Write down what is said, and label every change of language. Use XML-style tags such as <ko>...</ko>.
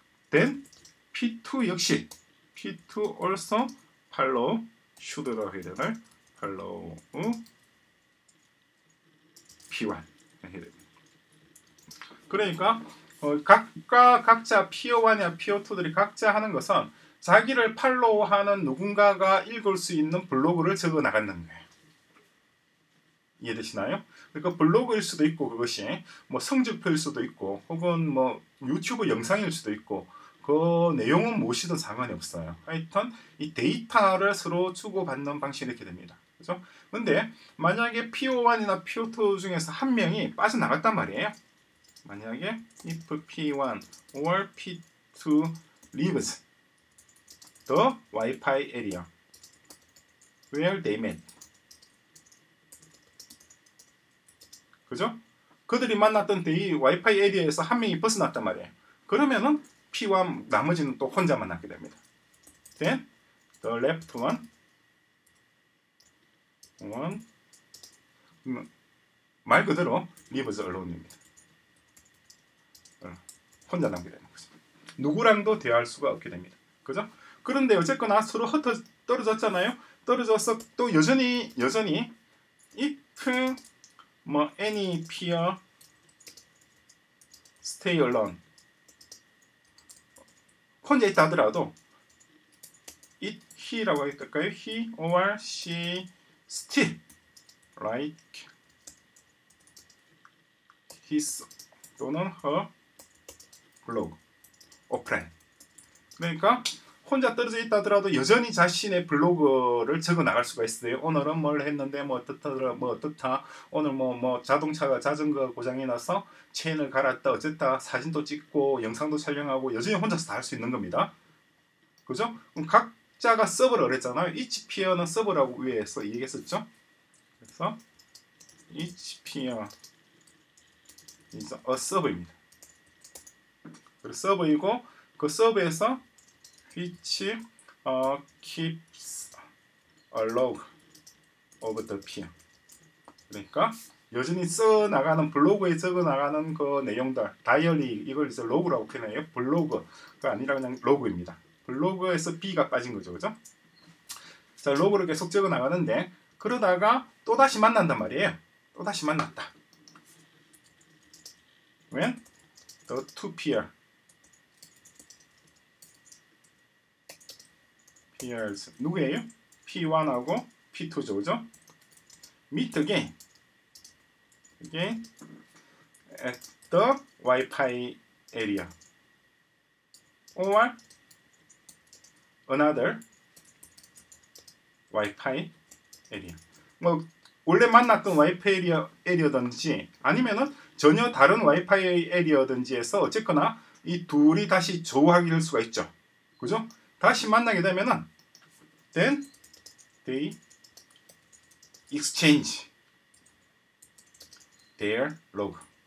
<en>Then P2</en> <ko>역시</ko> <en>P2 also follow should</en> <ko>해야 되나요? follow P1 해야 됩니다. 그러니까 각자 PO1이나 PO2들이 각자 하는 것은 자기를 팔로우하는 누군가가 읽을 수 있는 블로그를 적어 나가는 거예요. 이해되시나요? 그러니까 블로그일 수도 있고 그것이 뭐 성적표일 수도 있고 혹은 뭐 유튜브 영상일 수도 있고 그 내용은 무엇이든 상관이 없어요. 하여튼 이 데이터를 서로 주고받는 방식이 이렇게 됩니다. 그죠? 근데 만약에 PO1이나 PO2 중에서 한 명이 빠져나갔단 말이에요. 만약에</ko> <en>if P1 or P2 leaves the Wi-Fi area where they met.</en> <ko>그죠? 그들이 만났던 데이 와이파이 에리어에서 한 명이 벗어났단 말이에요. 그러면은 P1 나머지는 또 혼자만 남게 됩니다.</ko> <en>Then the left one</en> <ko>말 그대로</ko> <en>leaves alone입니다.</en> <ko>혼자 남게 되는 거죠. 누구랑도 대화할 수가 없게 됩니다. 그죠? 그런데 어쨌거나 서로 떨어졌잖아요. 떨어져서 또 여전히</ko> <en>if 뭐 any peer stay alone</en> <ko>혼자 있다 하더라도</ko> <en>it, he</en> <ko>라고 할까요?</ko> <en>he or she still like his</en> <ko>또는</ko> <en>her blog or plan.</en> <ko>그러니까 혼자 떨어져 있다 하더라도 여전히 자신의 블로그를 적어 나갈 수가 있어요. 오늘은 뭘 했는데 뭐 어떻다 뭐 어떻다 오늘 뭐 자동차가 자전거가 고장이 나서 체인을 갈았다 어쨌다 사진도 찍고 영상도 촬영하고 여전히 혼자서 다 할 수 있는 겁니다. 그죠? 그럼 각자가 서버를 했잖아요.</ko> <en>each peer</en> <ko>는 서버라고 위에서 얘기했었죠. 그래서</ko> <en>each peer is a 서버입니다.</en> <ko>그리고 서버이고 그 서버에서</ko> <en>which keeps a log of the peer.</en> <ko>그러니까 여전히 써 나가는 블로그에 적어 나가는 그 내용들 다이어리 이걸 이제 로그라고 표현해요. 블로그가 아니라 그냥 로그입니다. 블로그에서 b가 빠진 거죠, 그죠? 자, 로그를 계속 적어 나가는데 그러다가 또 다시 만난단 말이에요. 또 다시 만났다.</ko> <en>When the two peers</en> <ko>누구예요? P1하고 P2죠, 그죠?</ko> <en>Meet again at the Wi-Fi area or another Wi-Fi area.</en> <ko>뭐 원래 만났던 Wi-Fi area든지 아니면은 전혀 다른 Wi-Fi area든지에서 어쨌거나 이 둘이 다시 조화할 수가 있죠, 그죠? 다시 만나게 되면은</ko> <en>Then they exchange their log.</en>